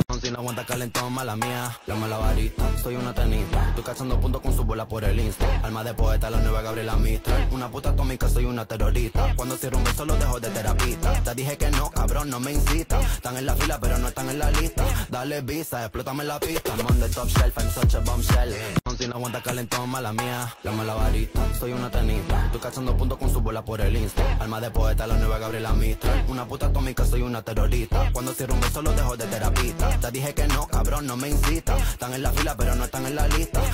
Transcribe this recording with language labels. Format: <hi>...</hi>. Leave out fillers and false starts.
<es>rutina aguanta calentón, mala mía. La mala varita, soy una tenista. Estoy cazando puntos con su bola por el Insta. Alma de poeta, la nueva Gabriela Mistral. Una puta atómica, soy una terrorista. Cuando cierro un beso lo dejo de terapista. Te dije que no, cabrón, no me incita. Están en la fila, pero no están en la lista. Dale visa, explótame la pista.</es> <en>I'm on the top shelf, I'm such a bombshell.</en> <es>Si no aguanta calentón, mala mía. La mala varita, soy una tenista. Estoy cazando puntos con su bola por el Insta. Alma de poeta, la nueva Gabriela Mistral. Una puta atómica, soy una terrorista. Cuando cierro un beso lo dejo de terapista. Te dije que no, cabrón, no me incita. Están en la fila, pero no están en la lista.</es>